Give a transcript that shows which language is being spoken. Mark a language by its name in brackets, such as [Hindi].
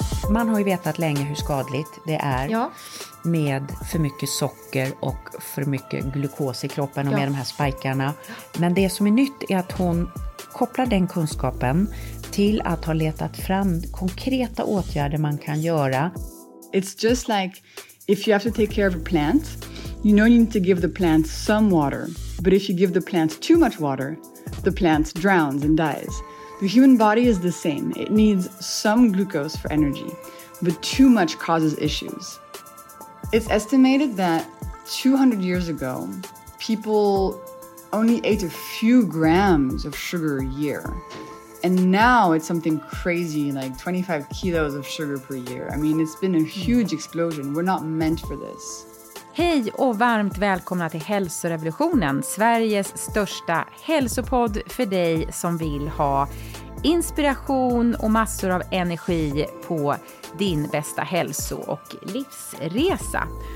[Swedish] Man har ju vetat länge hur skadligt det är med för mycket socker och för mycket glukos i kroppen och med de här spikarna. Men det som är nytt är att hon kopplar den kunskapen till att ha letat fram konkreta åtgärder man kan göra. [English] It's just like if you have to take care of a plant, you know you need to give the plant some water. But if you give the plant too much water, the plant drowns and dies. The human body is the same. It needs some glucose for energy, but too much causes issues. It's estimated that 200 years ago, people only ate a few grams of sugar a year. And now it's something crazy, like 25 kilos of sugar per year. I mean, it's been a huge explosion. We're not meant for this. [Swedish] Hej och varmt välkomna till Hälsorevolutionen, Sveriges största hälsopodd för dig som vill ha inspiration och massor av energi på din bästa hälso- och livsresa.